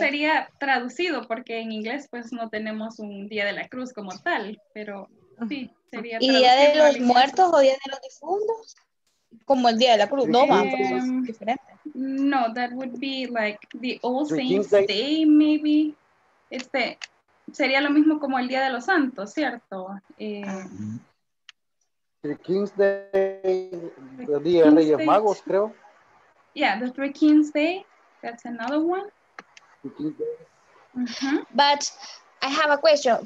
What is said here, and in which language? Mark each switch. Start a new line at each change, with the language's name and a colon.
Spanish: Sería traducido, porque en inglés pues no tenemos un Día de la Cruz como tal, pero sí, sería traducido. ¿Y Día de los Muertos o Día de los Difuntos? Como el Día de la Cruz, no, más, pues es diferente.
English: No, that would be like the All Saints Day, maybe.
Spanish: Este, sería lo mismo como el Día de los Santos, ¿cierto? The King's Day, el Día de Reyes Magos, creo.
English: Yeah, the Three Kings Day. That's another one. Mm-hmm. But I have a question.